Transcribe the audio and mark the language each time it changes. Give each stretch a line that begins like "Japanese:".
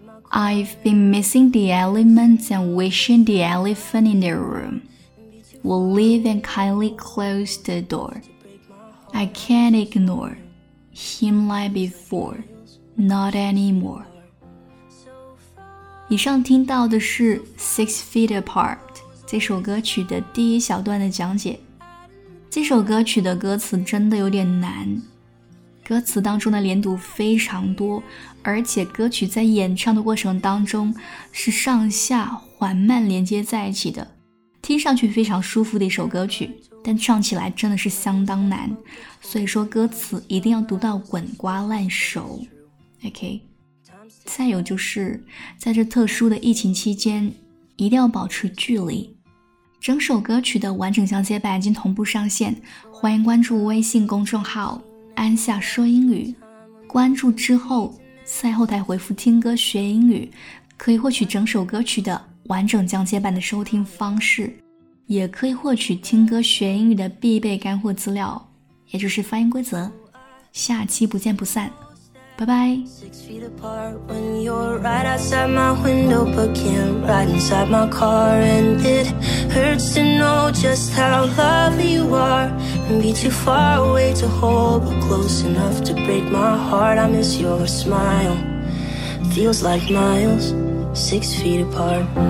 English: I've been missing the elements and wishing the elephant in the room. We'll leave and kindly close the door. I can't ignore him like before, not anymore.
Chinese: 以上听到的是 Six Feet Apart 这首歌曲的第一小段的讲解这首歌曲的歌词真的有点难歌词当中的连读非常多而且歌曲在演唱的过程当中是上下缓慢连接在一起的听上去非常舒服的一首歌曲但唱起来真的是相当难所以说歌词一定要读到滚瓜烂熟 OK 再有就是在这特殊的疫情期间一定要保持距离整首歌曲的完整讲解版已经同步上线欢迎关注微信公众号安夏说英语关注之后在后台回复听歌学英语可以获取整首歌曲的完整讲解版的收听方式也可以获取听歌学英语的必备干货资料也就是发音规则下期不见不散
English: Bye bye. 6 feet apart when you're right outside my window, but can't ride inside my car. And it hurts to know just how lovely you are. And be too far away to hold, but close enough to break my heart. I miss your smile. Feels like miles, 6 feet apart.